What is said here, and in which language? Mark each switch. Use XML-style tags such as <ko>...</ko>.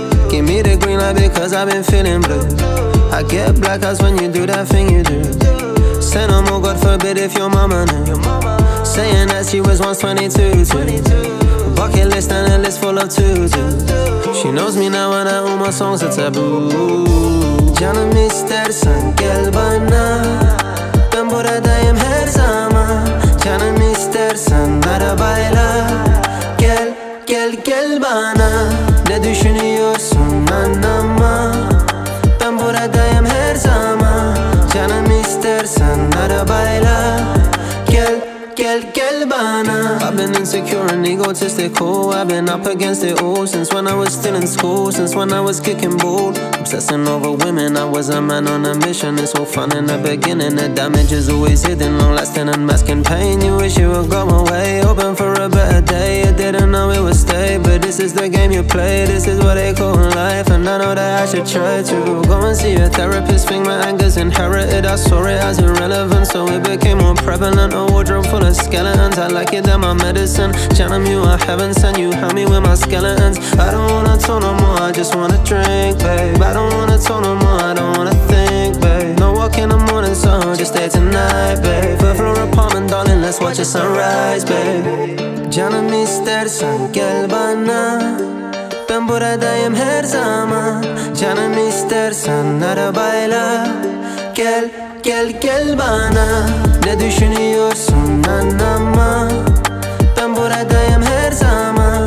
<en>Give me the green light because I've been feeling blue. I get blackouts when you do that thing you do. Say no more, God forbid, if your mama knew. Saying that she was once 22 too. Bucket list and a list full of twos. She knows me now and I own my songs are taboo.</en> <tr>Canım istersen gel bana. Ben buradayım her zaman. Canım istersen arabayla. Gel, gel, gel bana. Ne düşünüyorsun anlama. Ben buradayım her zaman. Canım istersen arabayla. Gel, gel, gel bana.</tr> <en>I've been insecure and egotistical. I've been up against it all since when I was still in school. Since when I was kicking ball. Obsessing over women, I was a man on a mission. It's all fun in the beginning. The damage is always hidden, long lasting and masking pain. You wish you would go away, hoping for a better day. I didn't know it would stay, but this is the game you play. This is what they call life, and I know that I should try to go and see a therapist. Think my anger's inherited, I saw it as irrelevant. So it became more prevalent, a wardrobe full of skeletons. I like it that my medicine, channel you are heaven sent. You help me with my skeletons. I don't wanna talk no more, I just wanna drink, babe. I don't wanna talk no more, I don't wanna think, babe. No walk in the morning, so just stay tonight, babe. Fifth floor apartment, darling, let's watch the sunrise, babe.</en> <tr>Canım istersen gel bana. Ben buradayım her zaman. Canım istersen arabayla. Gel, gel, gel bana. Ne düşünüyorsun anlama. Ben buradayım her zaman.</tr>